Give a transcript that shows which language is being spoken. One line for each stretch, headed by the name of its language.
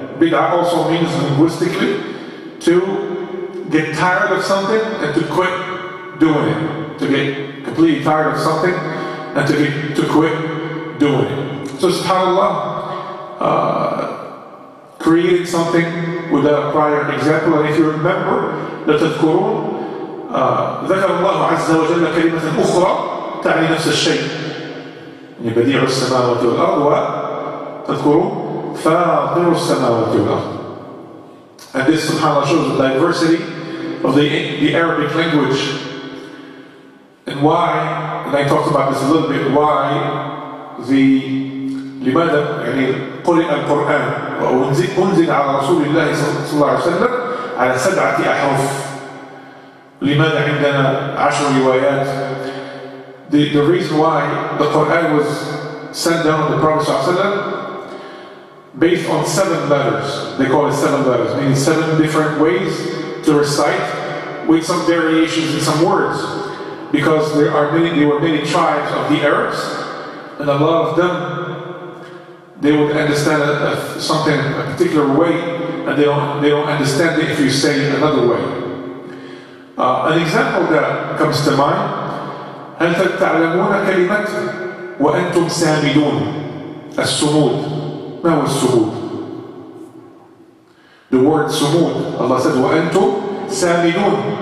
English: بدعة also means linguistically to get tired of something and to quit doing it. To get completely tired of something and to quit doing it. So subhanAllah, created something without a prior example. And if you remember,
Arabic: لتذكرون ذكر الله عز وجل كلمة أخرى تعني نفس الشيء. يعني بديع السماوات والأرض وتذكرون فاطر السماوات والأرض.
English: And this subhanAllah shows the diversity of the Arabic language. And why, and I talked about this a little bit, why the
Arabic: لماذا يعني قرئ القرآن وأنزل على رسول الله صلى الله عليه وسلم على سبعة أحرف. لماذا عندنا عشر روايات.
English: The reason why the Quran was sent down on the Prophet صلى الله عليه وسلم based on seven letters. They call it seven letters, meaning seven different ways to recite with some variations in some words. Because there were many tribes of the Arabs, and a lot of them, they would understand something a particular way, and they don't understand it if you say it another way. An example that comes to mind:
Arabic: هل تعلمون كلمة وأنتم سامدون السمود. ما هو السمود؟
English: The word
Arabic: سمود.
English: Allah said
Arabic: وأنتم سامدون.